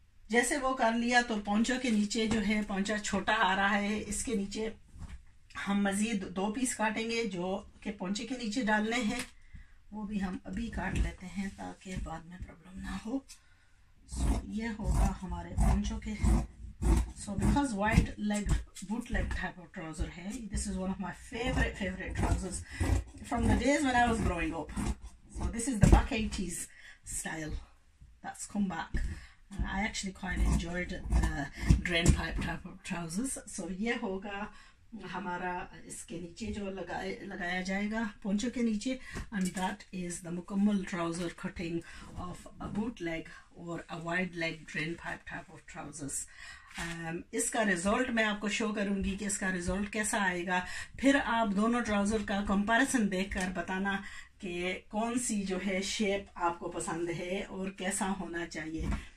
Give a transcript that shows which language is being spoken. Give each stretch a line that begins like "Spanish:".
Hindi: जैसे वो कर लिया तो पौंचों के नीचे जो है पौंचा छोटा आ रहा है, इसके नीचे हम मजीद दो पीस काटेंगे जो के पौंचे के नीचे डालने हैं, वो भी हम अभी काट लेते हैं ताकि बाद में प्रॉब्लम ना हो। सो ये होगा हमारे पौंचों के।
English: So because wide leg bootleg type of trouser hai, this is one of my favorite trousers from the days when I was growing up. So this is the back 80s style that's come back. I actually quite enjoyed the drain pipe type of trousers. So
Hindi: ye hoga हमारा इसके नीचे जो लगाए लगाया जाएगा poncho के नीचे,
English: And that is the मुकम्मल trouser cutting of a boot leg और a wide leg drain pipe type of trousers.
Hindi: इसका रिजल्ट मैं आपको शो करूंगी कि इसका रिजल्ट कैसा आएगा, फिर आप दोनों ट्राउजर का कंपैरिजन देखकर बताना कि कौन सी जो है शेप आपको पसंद है और कैसा होना चाहिए।